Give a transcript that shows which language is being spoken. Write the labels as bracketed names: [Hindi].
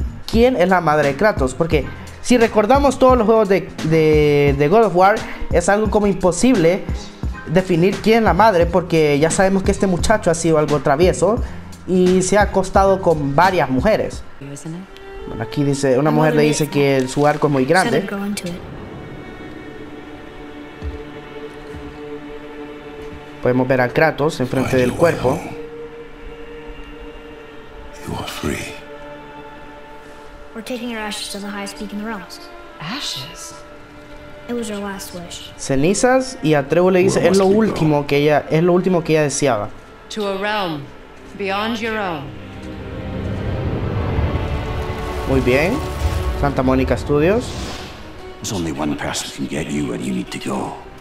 [Spanish] ¿Quién es la madre de Kratos? Porque si recordamos todos los juegos de God of War, es algo como imposible definir quién es la madre, porque ya sabemos que este muchacho ha sido algo travieso y se ha acostado con varias mujeres. Bueno, aquí dice, una mujer le dice que su arco es muy grande. Podemos ver a Kratos enfrente del cuerpo. [English] You are free. We're taking your ashes to the highest peak in the realms. Ashes. It was her last wish. [Spanish] Cenizas y Atreus le dice, es lo último que ella deseaba. [English] To a realm beyond your own. [Spanish] Muy bien. [English] Santa Mónica Studios. There's only one pass that can get you where you need to go.